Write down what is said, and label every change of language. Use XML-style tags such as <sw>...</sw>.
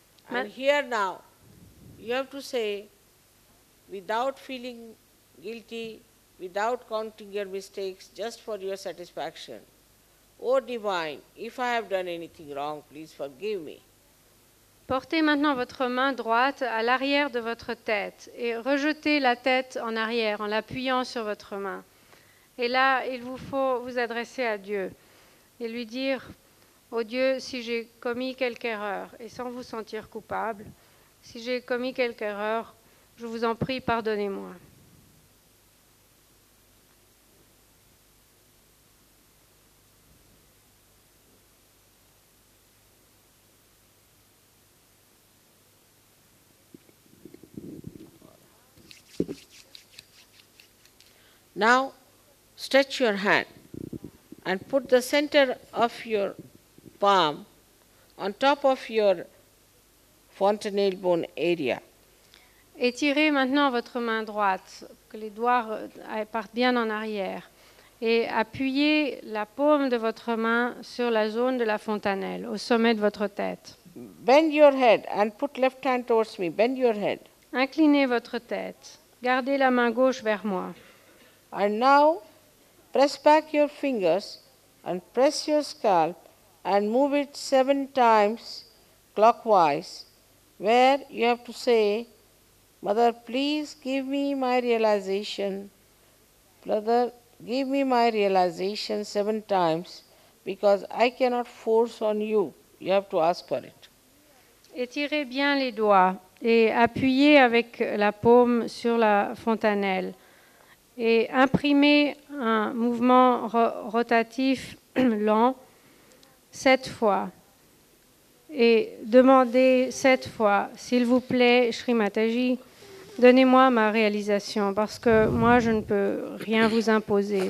<en>And here now, you have to say, without feeling guilty, without counting your mistakes, just for your satisfaction, oh Divine, if I have done anything wrong, please forgive me.</en> <fr>Portez maintenant votre main droite à l'arrière de votre tête et rejetez la tête en arrière en l'appuyant sur votre main. Et là, il vous faut vous adresser à Dieu et lui dire, oh Dieu, si j'ai commis quelque erreur et sans vous sentir coupable, si j'ai commis quelque erreur, je vous en prie, pardonnez-moi.</fr> <en>Now, stretch your hand and put the center of your palm on top of your fontanelle bone area.</en> <fr>Étirez maintenant votre main droite, que les doigts partent bien en arrière, et appuyez la paume de votre main sur la zone de la fontanelle, au sommet de votre tête.</fr> <en>Bend your head and put left hand towards me. Bend your head.</en> <fr>Inclinez votre tête. Gardez la main gauche vers moi.</fr> <en>And now, press back your fingers and press your scalp and move it 7 times clockwise. Where you have to say, Mother, please give me my realization. Brother, give me my realization 7 times because I cannot force on you. You have to ask for it.</en> <fr>Étirez bien les doigts et appuyez avec la paume sur la fontanelle et imprimez un mouvement rotatif lent 7 fois. Et demandez 7 fois, s'il vous plaît, Shri Mataji, donnez-moi ma réalisation, parce que moi, je ne peux rien vous imposer.</fr>